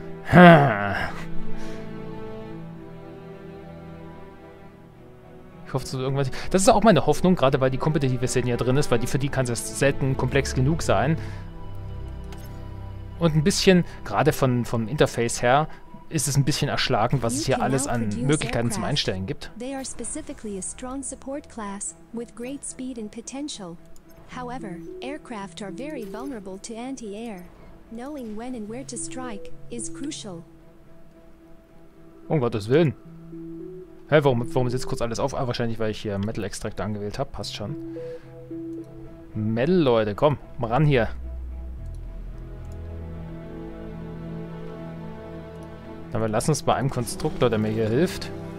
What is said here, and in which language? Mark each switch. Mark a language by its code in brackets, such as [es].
[de] Ich hoffe, dass irgendwas... Das ist auch meine Hoffnung, gerade weil die kompetitive Szene ja drin ist, weil für die kann es selten komplex genug sein. Und ein bisschen, gerade vom Interface her, ist es ein bisschen erschlagen, was es hier alles an Möglichkeiten zum Einstellen gibt. [en] They are specifically a strong support class with great speed and potential. However, aircraft are very vulnerable to anti-air. Knowing when and where to strike is crucial. [de] Um Gottes Willen. Hä, warum ist jetzt kurz alles auf? Ah, wahrscheinlich, weil ich hier Metal-Extrakte angewählt habe. Passt schon. Metal-Leute, komm, mal ran hier. Aber lass uns bei einem Konstruktor, der mir hier hilft.